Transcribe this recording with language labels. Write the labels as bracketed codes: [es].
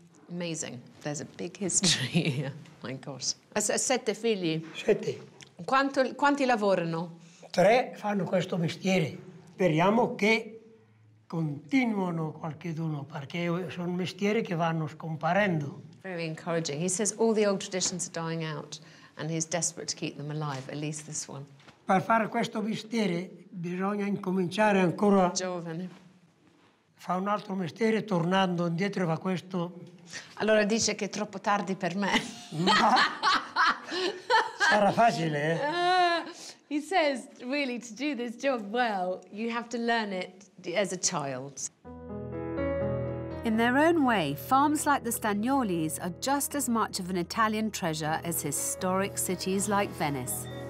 [en] Amazing. There's a big history here. My gosh. [it] 7 figli? 7. Quanti lavorano? 3 fanno questo mestiere. Speriamo che continuano qualcheduno, perché sono mestieri che vanno scomparendo. [en] Very encouraging. He says all the old traditions are dying out and he's desperate to keep them alive, at least this one. [it] Per fare questo mestiere bisogna incominciare ancora giovane. Fa un altro mestiere tornando indietro a questo. Allora dice che è troppo tardi per me. Ma sarà facile, [en] He says, really, to do this job well, you have to learn it as a child. In their own way, farms like the Stagnolis are just as much of an Italian treasure as historic cities like Venice.